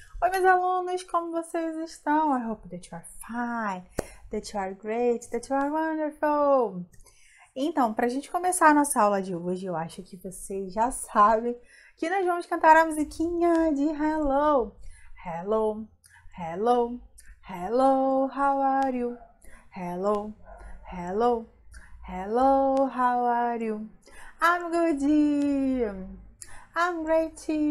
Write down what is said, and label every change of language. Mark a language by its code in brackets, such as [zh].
[pt] Oi, meus alunos, como vocês estão? [en] I hope that you are fine, that you are great, that you are wonderful. [pt] Então, para a gente começar a nossa aula de hoje, eu acho que vocês já sabem que nós vamos cantar a musiquinha de Hello. [en] Hello, hello, hello, how are you? Hello, hello, hello, how are you? I'm good. I'm great.